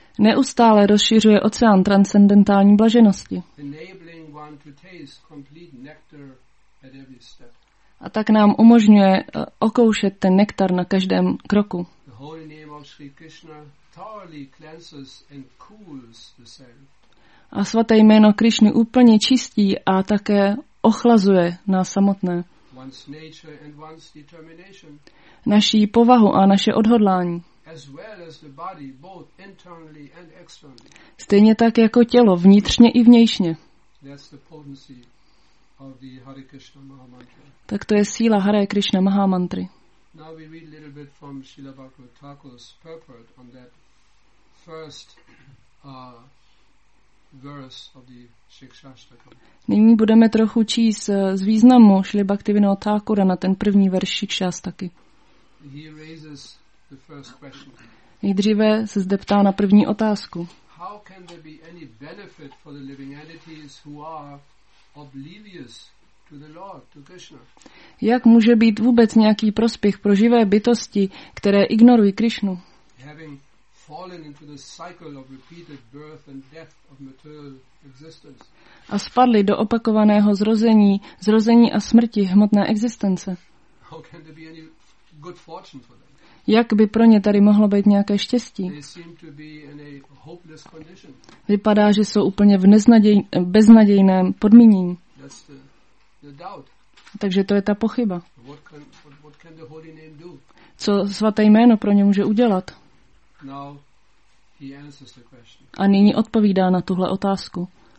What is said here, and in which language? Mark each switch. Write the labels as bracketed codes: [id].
[cs] Neustále rozšiřuje oceán transcendentální blaženosti. [en] Enabling one to taste complete nectar at every step. [cs] A tak nám umožňuje okoušet ten nektar na každém kroku. [en] The holy name of Sri Krishna thoroughly cleanses and cools the soul. [cs] A svaté jméno Krišny úplně čistí a také ochlazuje nás samotné. [en] One's nature and one's determination. [cs] Naší povahu a naše odhodlání. [en] As well as the body, both internally and externally. [cs] Stejně tak jako tělo, vnitřně i vnějšně. [en] That's the potency of the Hare Krishna [cs] Mahamantra. Tak to je síla Hare Krishna Mahamantry. [en] Now we read a little bit from Srila Bhakti Thakur's purport on that first verse of the Shikshashtakam. [cs] Nyní budeme trochu číst z významu Srila Bhaktivinoda Thakura na ten první verš Shikshashtaky. [en] He raises the first question. [cs] Nejdříve se zde ptá na první otázku. [en] How can there be any benefit for the living entities who are oblivious to the Lord, to Krishna? [cs] Jak může být vůbec nějaký prospěch pro živé bytosti, které ignorují Krišnu? [en] Having fallen into the cycle of repeated birth and death of material existence. [cs] A spadli do opakovaného zrození a smrti hmotné existence. [en] How can there be any good fortune for them? [cs] Jak by pro ně tady mohlo být nějaké štěstí? [en] They seem to be in a hopeless condition. [cs] Vypadá, že jsou úplně v beznadějném podmínění. [en] That's the doubt. [cs] Takže to je ta pochyba. [en] What can the holy name do? [cs] Co svaté jméno pro ně může udělat? [en] Now he answers the question. [cs] A nyní odpovídá na tuhle otázku.